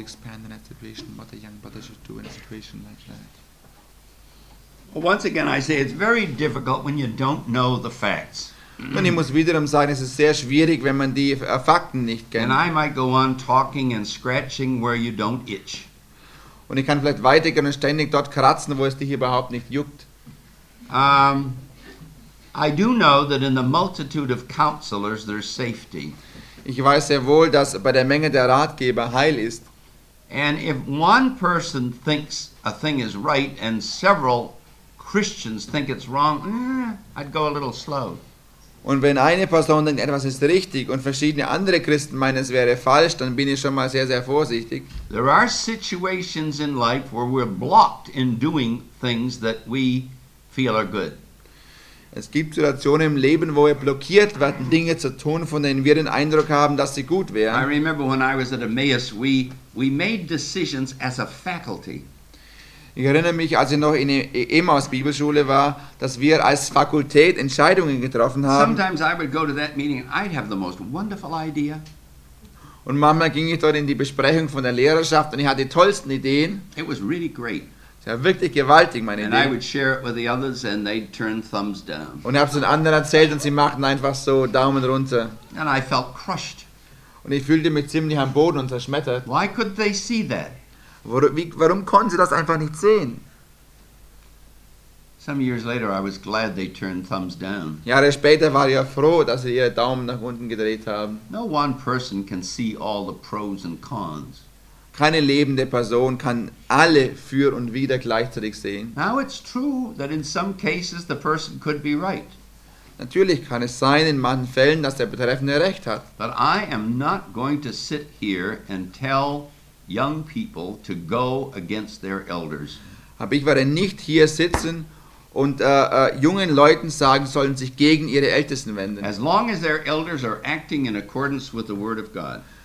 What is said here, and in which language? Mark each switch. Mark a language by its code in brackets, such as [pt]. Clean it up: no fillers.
[en] expand on that situation, what a young brother should do in a situation like that. Well, once again, I say it's very difficult when you don't know the facts. [de] Und ich muss wiederum sagen, es ist sehr schwierig, wenn man die Fakten nicht kennt. [en] And I might go on talking and scratching where you don't itch. [de] Und ich kann vielleicht weitergehen und ständig dort kratzen, wo es dich überhaupt nicht juckt. [en] I do know that in the multitude of counselors there's safety. [de] Ich weiß sehr wohl, dass bei der Menge der Ratgeber Heil ist. [en] And if one person thinks a thing is right and several Christians think it's wrong, I'd go a little slow. [de] Und wenn eine Person denkt, etwas ist richtig und verschiedene andere Christen meinen, es wäre falsch, dann bin ich schon mal sehr, sehr vorsichtig. [en] There are situations in life where we're blocked in doing things that we feel are good. [de] Es gibt Situationen im Leben, wo wir blockiert werden, Dinge zu tun, von denen wir den Eindruck haben, dass sie gut wären. [en] I remember when I was at Emmaus, we made decisions as a faculty. [de] Ich erinnere mich, als ich noch in Emmaus Bibelschule war, dass wir als Fakultät Entscheidungen getroffen haben. [en] Sometimes I would go to that meeting and I'd have the most wonderful idea. [de] Und manchmal ging ich dort in die Besprechung von der Lehrerschaft und ich hatte die tollsten Ideen. [en] It was really great. [de] Ja, wirklich gewaltig, meine [en] and [de] Idee. [en] I would share it with the others and they'd turn thumbs down. [de] Und ich habe es den anderen erzählt und sie machten einfach so Daumen runter. [en] And I felt crushed. [de] Und ich fühlte mich ziemlich am Boden und zerschmettert. [en] Why could they see that? [de] Warum konnten sie das einfach nicht sehen? [en] Some years later I was glad they turned thumbs down. [de] Jahre später war ich froh, dass sie ihre Daumen nach unten gedreht haben. [en] No one person can see all the pros and cons. [de] Keine lebende Person kann alle für und wider gleichzeitig sehen. [en] Now it's true that in some cases the person could be right. [de] Natürlich kann es sein in manchen Fällen, dass der Betreffende recht hat. [en] But I am not going to sit here and tell young people to go against their elders. [de] Aber ich werde nicht hier sitzen und jungen Leuten sagen, sollen sich gegen ihre Ältesten wenden. [en] As long as their elders are acting in accordance with the word of God.